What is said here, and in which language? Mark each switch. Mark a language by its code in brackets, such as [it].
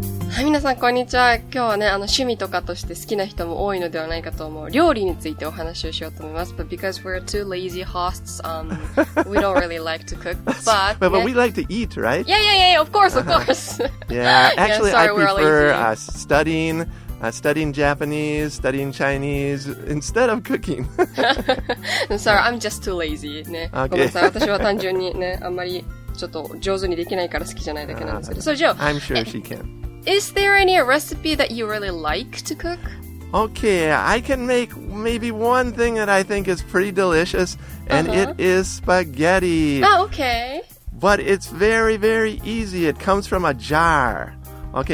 [ja] はい、皆さん、こんにちは。今日はね、趣味とかとして好きな人も多いのではないかと思う。料理についてお話をしようと思います。 [en] But because we're two lazy hosts, we don't really like to cook. But we like to eat, right? Yeah, of course, of course. Yeah, actually, I prefer studying Japanese, studying Chinese, instead of cooking. Sorry, I'm just too lazy. ね、 okay. [ja] ごめんなさい、私は単純にね、あんまりちょっと上手にできないから好きじゃないだけなんですけど。 [en] So, Joe, I'm sure she can. Is there any recipe that you really like to cook? Okay, I can make maybe one thing that I think is pretty delicious, and it is spaghetti. Oh, okay. But it's very, very easy. It comes from a jar. Okay,